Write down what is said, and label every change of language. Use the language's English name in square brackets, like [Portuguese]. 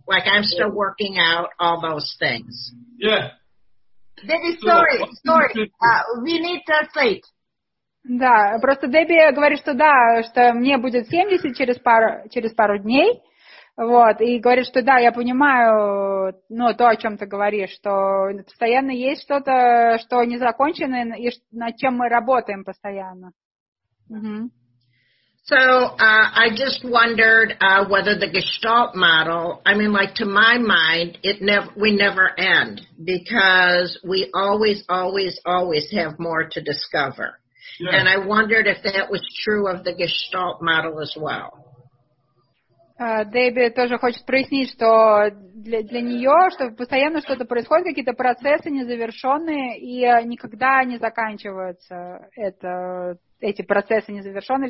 [English] Like, I'm still working out all those things. Yeah. Debbie, sorry. We need to sleep. [Russian] Да, просто Дебби говорит, что да, что мне будет 70 через пару дней, вот, и говорит, что да, я понимаю, ну, то, о чем ты говоришь, что постоянно есть что-то, что не закончено, и над чем мы работаем постоянно. Угу. [English] So, I just wondered whether the Gestalt model, I mean, like, to my mind, we never end, because we always, always, always have more to discover. Yeah. And I wondered if that was true of the Gestalt model as well. [Russian] Дебби тоже хочет прояснить, что для нее, что постоянно что-то происходит, какие-то процессы незавершенные, и никогда не заканчиваются эти процессы незавершенные.